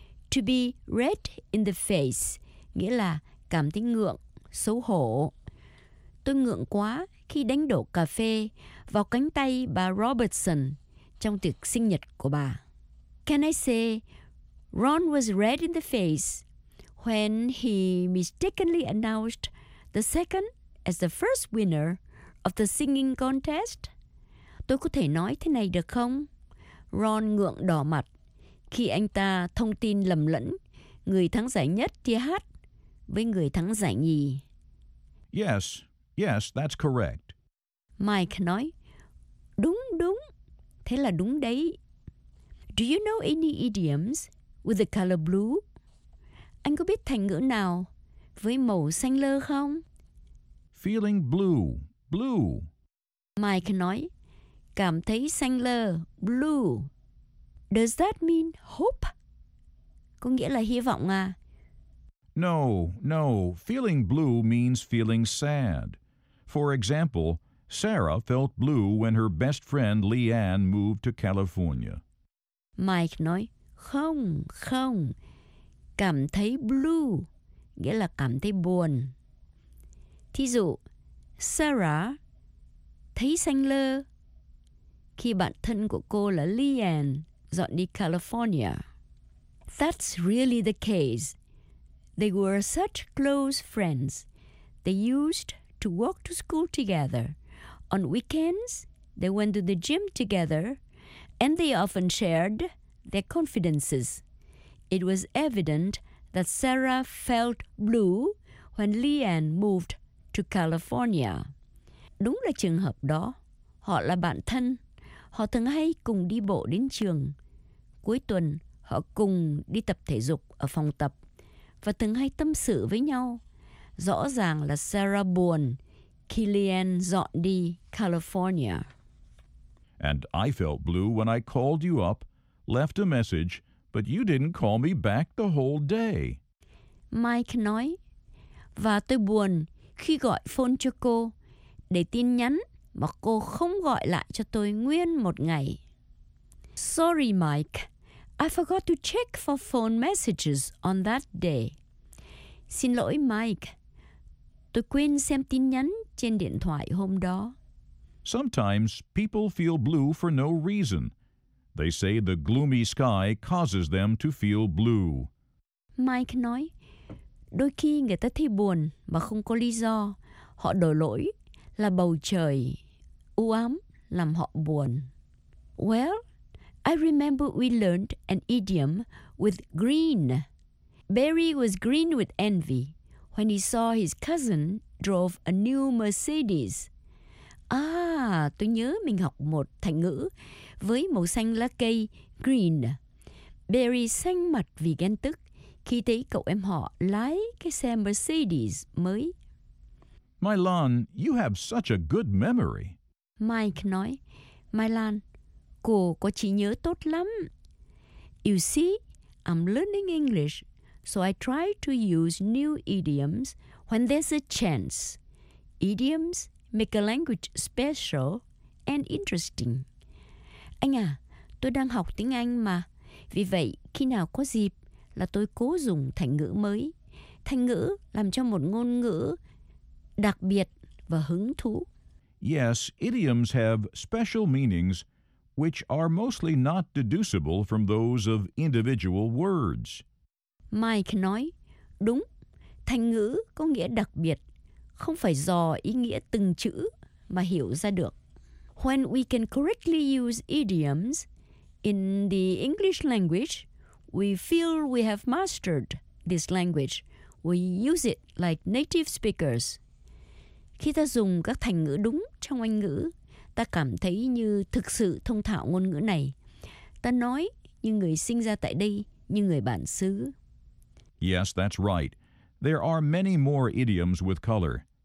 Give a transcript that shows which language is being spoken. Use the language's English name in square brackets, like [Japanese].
[English] To be red in the face, [Vietnamese] nghĩa là cảm thấy ngượng, xấu hổ. Tôi ngượng quá khi đánh đổ cà phê vào cánh tay bà Robertson trong tiệc sinh nhật của bà. [English] Can I say, Ron was red in the face when he mistakenly announced the second as the first winner of the singing contest? [Vietnamese] Tôi có thể nói thế này được không? Ron ngượng đỏ mặt khi anh ta thông tin lầm lẫn người thắng giải nhất thi hát với người thắng giải nhì. [English] Yes, yes, that's correct. [Vietnamese] Mike nói, đúng, đúng, thế là đúng đấy. [English] Do you know any idioms with the color blue? [Vietnamese] Anh có biết thành ngữ nào với màu xanh lơ không? [English] Feeling blue, blue. [Vietnamese] Mike nói, cảm thấy xanh lơ, blue. [English] Does that mean hope? [Vietnamese] Có nghĩa là hy vọng à? [English] No, no, feeling blue means feeling sad. For example, Sarah felt blue when her best friend Leanne moved to California. [Vietnamese] Mike nói, không, không. Cảm thấy blue, nghĩa là cảm thấy buồn. Thí dụ, Sarah thấy xanh lơ. Khi bạn thân của cô là Leanne dọn đi California. [English] That's really the case. They were such close friends. They used to walk to school together. On weekends, they went to the gym together, and they often shared their confidences. It was evident that Sarah felt blue when Leanne moved to California. [Vietnamese] Đúng là trường hợp đó. Họ là bạn thân. Họ thường hay cùng đi bộ đến trường. Cuối tuần, họ cùng đi tập thể dục ở phòng tập và thường hay tâm sự với nhau. Rõ ràng là Sarah buồn khi Leanne dọn đi California. [English] And I felt blue when I called you up, left a message, but you didn't call me back the whole day. [Vietnamese] Mike nói, và tôi buồn khi gọi phone cho cô để tin nhắn mà cô không gọi lại cho tôi nguyên một ngày. [English] Sorry, Mike. I forgot to check for phone messages on that day. [Vietnamese] Xin lỗi, Mike. Tôi quên xem tin nhắn trên điện thoại hôm đó. [English] Sometimes people feel blue for no reason. They say the gloomy sky causes them to feel blue. [Vietnamese] Mike nói, đôi khi người ta thấy buồn mà không có lý do. Họ đổ lỗi là bầu trời u ám làm họ buồn. [English] Well, I remember we learned an idiom with green. Barry was green with envy when he saw his cousin drove a new Mercedes. [Vietnamese] À, tôi nhớ mình học một thành ngữ với màu xanh lá cây, green. Barry xanh mặt vì ghen tức khi thấy cậu em họ lái cái xe Mercedes mới. [English] Mylan, you have such a good memory. [Vietnamese] Mike nói, Mylan, cô có trí nhớ tốt lắm. [English] You see, I'm learning English, so I try to use new idioms when there's a chance. Idioms make a language special and interesting. [Vietnamese] Anh à, tôi đang học tiếng Anh mà. Vì vậy, khi nào có dịp là tôi cố dùng thành ngữ mới. Thành ngữ làm cho một ngôn ngữ đặc biệt và hứng thú. [English] Yes, idioms have special meanings which are mostly not deducible from those of individual words. [Vietnamese] Mike nói, đúng, thành ngữ có nghĩa đặc biệt, không phải dò ý nghĩa từng chữ mà hiểu ra được. [English] When we can correctly use idioms in the English language, we feel we have mastered this language. We use it like native speakers. [Vietnamese] Khi ta dùng các thành ngữ đúng trong Anh ngữ, ta cảm thấy như thực sự thông thạo ngôn ngữ này. Ta nói như người sinh ra tại đây, như người bản xứ. [English] Yes, that's right. There are many more idioms with color.